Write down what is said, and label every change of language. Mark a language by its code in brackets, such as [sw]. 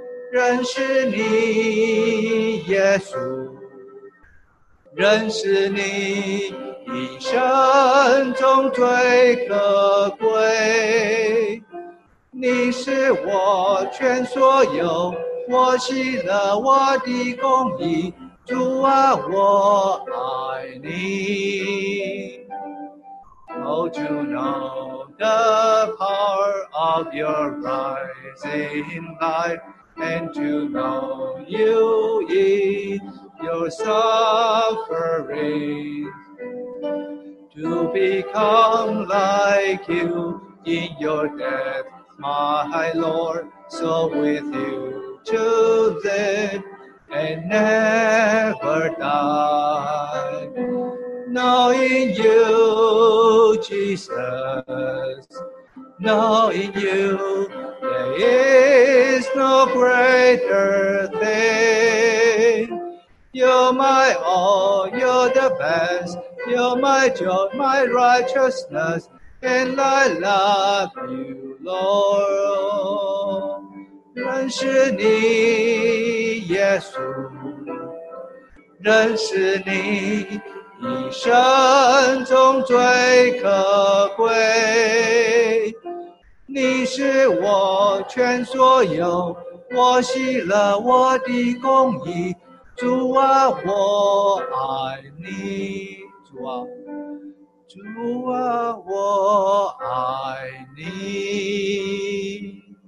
[zh] 认识你，耶稣，认识你，一生中最可贵。你是我全所有，我喜乐我的公义，主啊，我爱你。 [en] Oh, to know the power of your rising light, and to know you in your suffering, to become like you in your death, my Lord, so with you to live and never die. Knowing you, Jesus, knowing you, there is no greater thing. You're my all, you're the best, you're my joy, my righteousness, and I love you, Lord. [zh] 认识你，耶稣，认识你，一生中最可贵。你是我全所有，我喜乐我的公义，主啊，我爱你，主啊，主啊，我爱你。